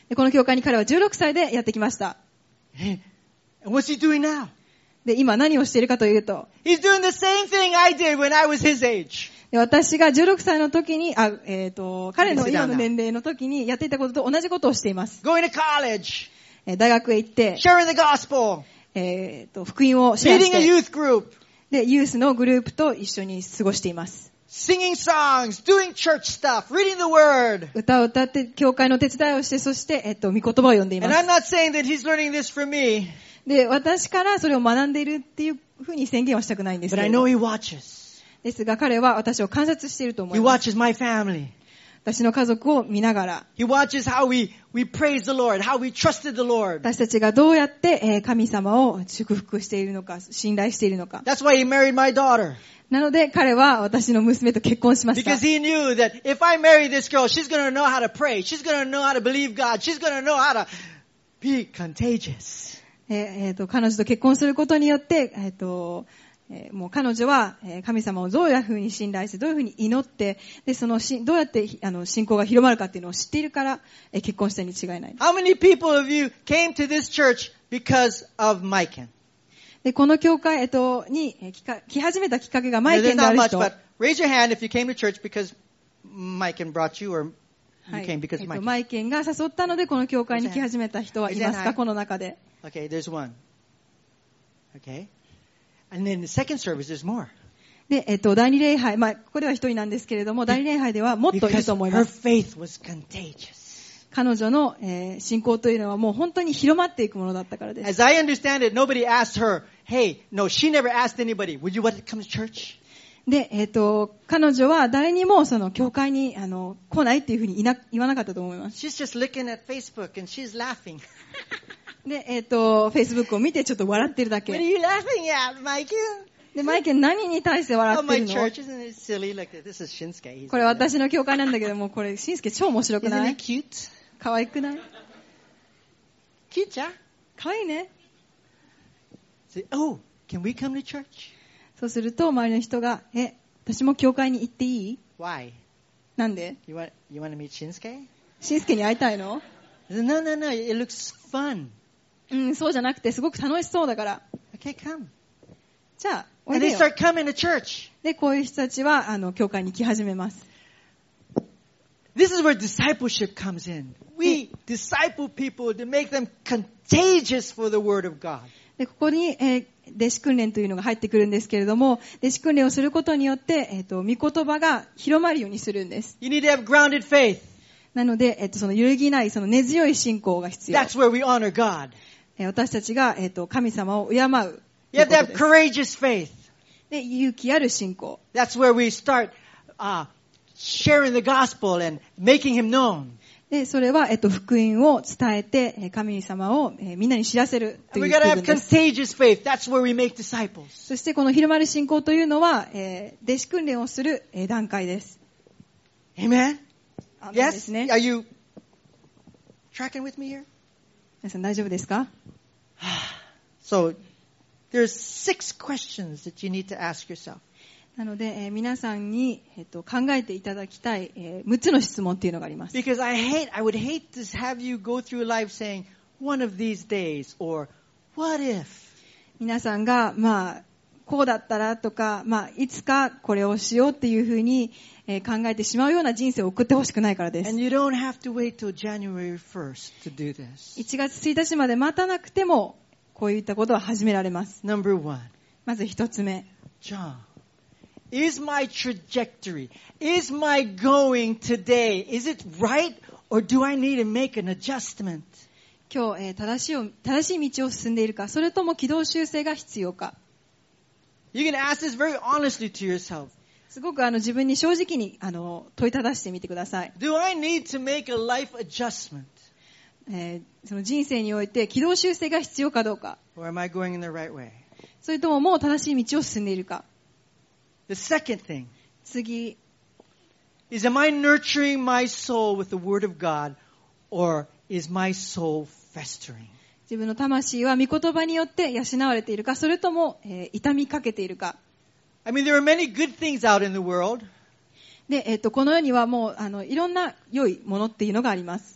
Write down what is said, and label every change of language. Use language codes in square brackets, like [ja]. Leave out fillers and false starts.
[ja] で、この教会に彼は16歳でやってきました。 [en] What's he doing now? [ja] で、今何をしているかというと、 [en] He's doing the same thing I did when I was his age. [ja] で、私が16歳の時に、彼の今の年齢の時にやっていたことと同じことをしています。 [en] Going to college. [ja] 大学へ行って、 [en] Sharing the gospel. [ja] 福音をシェアして、 [en] Meeting a youth group. [ja] で、ユースのグループと一緒に過ごしています。 [en] Singing songs, doing church stuff, reading the word. [ja] 歌を歌って教会の手伝いをして、そして御言葉を読んでいます。 [en] And I'm not saying that he's learning this from me. [ja] で、私からそれを学んでいるっていうふうに宣言はしたくないんですけど。 [en] But I know he watches. [ja] ですが彼は私を観察していると思います。 [en] He watches my family. [ja] 私の家族を見ながら。 [en] He watches how we praise the Lord, how we trusted the Lord. [ja] 私たちがどうやって神様を祝福しているのか、信頼しているのか。 [en] That's why he married my daughter. [ja] なので彼は私の娘と結婚しました。 [en] Because he knew that if I marry this girl, she's gonna know how to pray, she's gonna know how to believe God, she's gonna know how to be contagious. [ja] 彼女と結婚することによって、もう彼女は神様をどういうふうに信頼して、どういうふうに祈って、でそのどうやって信仰が広まるかっていうのを知っているから結婚したに違いない。 [en] How many people of you came to this church because of Mike? [ja] で、この教会、に来始めたきっかけがマイケンである人。 [en] There's not much, but raise your hand if you came to church because Mike brought you or you came because Mike. [ja] マイケンが誘ったのでこの教会に来始めた人はいますか、この中で。 [en] Okay, there's one. Okay. And then the second service is more. [ja] で、第二礼拝、まあ、ここでは一人なんですけれども、第二礼拝ではもっといると思います。 [en] Because her faith was contagious. [ja] 彼女の信仰というのはもう本当に広まっていくものだったからです。 [en] As I understand it, nobody asked her, hey, no, she never asked anybody, would you want to come to church? [ja] で、彼女は誰にもその教会に来ないっていうふうに言わなかったと思います。 [en] She's just looking at Facebook and she's laughing. [ja] で、Facebook を見てちょっと笑ってるだけ。 [en] What are you laughing at, Mike? [ja] で、マイケン何に対して笑ってるの？ [en] church, isn't it silly? Like, this is Shinsuke. [ja] これ私の教会なんだけども、これ、シンスケ超面白くない？ [en] Isn't it cute? [ja] かわいくない？キューちゃん？かわいいね。 [en] Say, oh, can we come to church? [ja] そうすると、周りの人が、え、私も教会に行っていい？ [en] Why? [ja] なんで？ [en] You wanna meet Shinsuke? [ja] シンスケに会いたいの？ [en] No, no, no, it looks fun. [ja] うん、そうじゃなくて、すごく楽しそうだから。 [en] Okay, come. [ja] じゃあ、おいでよ。 [en] And they [ja] で、こういう人たちは、教会に来始めます。 [en] This is where discipleship comes in. We disciple people to make them contagious for the word of God. [ja] で、ここに、弟子訓練というのが入ってくるんですけれども、弟子訓練をすることによって、御言葉が広まるようにするんです。 [en] You need to have grounded faith. [ja] なので、その揺るぎない、その根強い信仰が必要。 [en] That's where we honor God. [ja] 私たちが、神様を敬う。 [en] You have to have courageous faith. [ja] で、勇気ある信仰。 [en] That's where we start, sharing the gospel and making him known. [ja] で、それは、福音を伝えて、神様を、みんなに知らせるという部分です。 [en] We gotta have contagious faith. That's where we make disciples. [ja] そして、この広まる信仰というのは、弟子訓練をする段階です。 [en] Amen? Yes? Are you tracking with me here? [ja] 皆さん大丈夫ですか？ [en] So,There's six questions that you need to ask yourself. [ja] なので、皆さんに、考えていただきたい、6つの質問っていうのがあります。 [en] Because I would hate to have you go through life saying one of these days or what if. [ja] 皆さんが、まあ、こうだったらとか、まあ、いつかこれをしようっていうふうに、考えてしまうような人生を送ってほしくないからです。 [en] And you don't have to wait till January 1st to do this. [ja] 1月1日まで待たなくてもこういったことは始められます。 [en] Number one. [ja] まず一つ目。 [en] John, is my trajectory, is my going today, is it right or do I need to make an adjustment? [ja] 今日、正しい道を進んでいるか、それとも軌道修正が必要か。 [en] You can ask this very honestly to yourself. [ja] すごく自分に正直に問いただしてみてください。 [en] Do I need to make a life adjustment? [ja] その人生において軌道修正が必要かどうか。 [en] Or am I going in the right way? [ja] それとももう正しい道を進んでいるか。 [en] The second thing. [ja] 次。 [en] Is am I nurturing my soul with the word of God or is my soul festering? [ja] 自分の魂は御言葉によって養われているか、それとも、痛みかけているか。 [en] I mean, there are many good things out in the world. [ja] で、この世にはもう、いろんな良いものっていうのがあります。